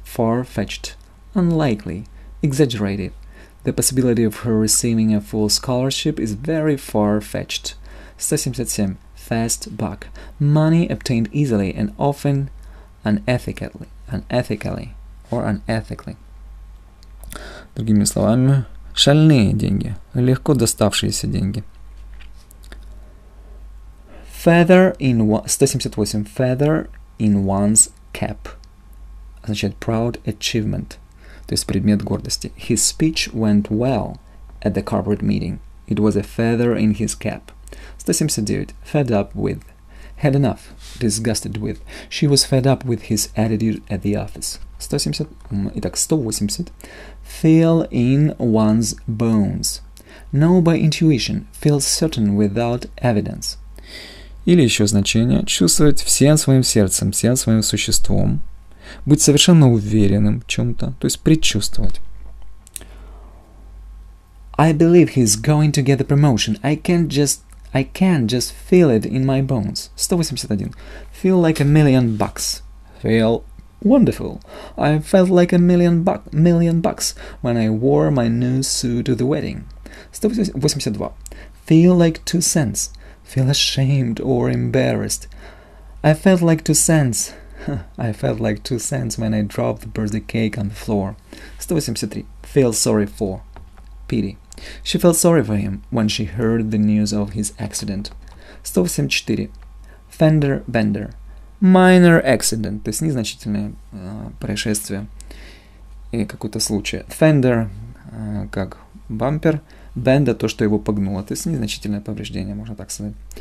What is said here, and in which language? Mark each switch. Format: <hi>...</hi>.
<en>Far-fetched. Unlikely. Exaggerated. The possibility of her receiving a full scholarship is very far-fetched. 177. Fast buck. Money obtained easily and often unethically or unethically.</en> <ru>Другими словами, шальные деньги, легко доставшиеся деньги.</ru> <en>Feather in one's cap.</en> <ru>Означает</ru> <en>proud achievement,</en> <ru>то есть предмет гордости.</ru> <en>His speech went well at the corporate meeting. It was a feather in his cap. 179. Fed up with. Had enough. Disgusted with. She was fed up with his attitude at the office. 180. Feel in one's bones. Know by intuition. Feel certain without evidence.</en> <ru>Или еще значение. Чувствовать всем своим сердцем, всем своим существом. Быть совершенно уверенным в чем-то, то есть предчувствовать.</ru> <en>I believe he's going to get the promotion. I can just feel it in my bones. 181. Feel like a million bucks. Feel wonderful. I felt like a million bucks when I wore my new suit to the wedding. 182. Feel like 2 cents. Feel ashamed or embarrassed. I felt like 2 cents. I felt like 2 cents when I dropped the birthday cake on the floor. 183. Feel sorry for. Pity. She felt sorry for him when she heard the news of his accident. 184. Fender bender. Minor accident.</en> <ru>То есть незначительное происшествие. И какой-то случай. Fender, как бампер. Bender, то, что его погнуло. То есть незначительное повреждение, можно так сказать.</ru>